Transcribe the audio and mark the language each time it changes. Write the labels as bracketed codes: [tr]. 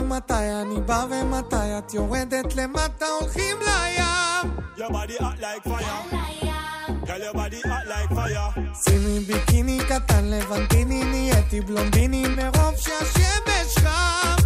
[he] אני בא ומתי את יורדת למטה הולכים לים [en] Your body act like fire Girl your body act like fire [he] שימי ביקיני קטן לבנטיני נהייתי בלונדיני מרוב שהשמש חם